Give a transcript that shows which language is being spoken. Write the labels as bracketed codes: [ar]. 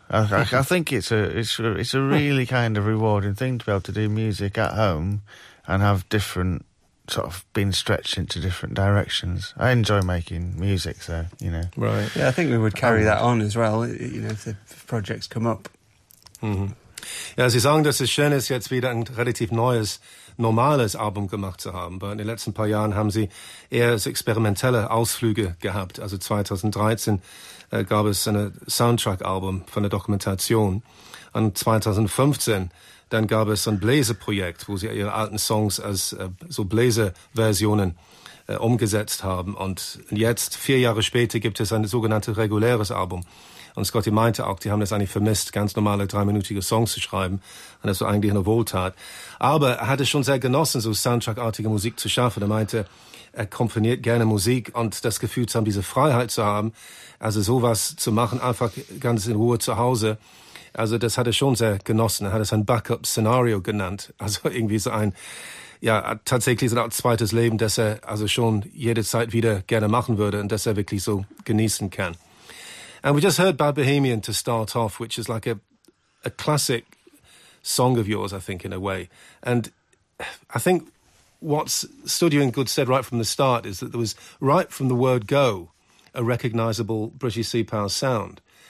[en] I think it's a really kind of rewarding thing to be able to do music at home and have different sort of being stretched into different directions. I enjoy making music, so, you know. Right. Yeah, I think we would carry that on as well, you know, if projects come up. [de] Mm-hmm. Ja, Sie sagen, dass es schön ist, jetzt wieder ein relativ neues, normales Album gemacht zu haben, aber in den letzten paar Jahren haben sie eher so experimentelle Ausflüge gehabt. Also 2013 gab es ein Soundtrack-Album von der Dokumentation und 2015 dann gab es ein Bläserprojekt, wo sie ihre alten Songs als so Bläserversionen umgesetzt haben und jetzt, 4 Jahre später, gibt es ein sogenanntes reguläres Album. Und Scotty meinte auch, die haben das eigentlich vermisst, ganz normale 3-minütige Songs zu schreiben. Und das war eigentlich eine Wohltat. Aber er hatte schon sehr genossen, so soundtrackartige Musik zu schaffen. Er meinte, er komponiert gerne Musik und das Gefühl zu haben, diese Freiheit zu haben, also sowas zu machen, einfach ganz in Ruhe zu Hause. Also das hat er schon sehr genossen. Er hat es ein Backup-Szenario genannt. Also irgendwie so ein, ja, tatsächlich so ein zweites Leben, das er also schon jede Zeit wieder gerne machen würde und das er wirklich so genießen kann. [en] And we just heard Bad Bohemian to start off, which is like a classic song of yours, I think, in a way. And I think what's stood you in good stead right from the start is that there was, right from the word go, a recognisable British Sea Power sound.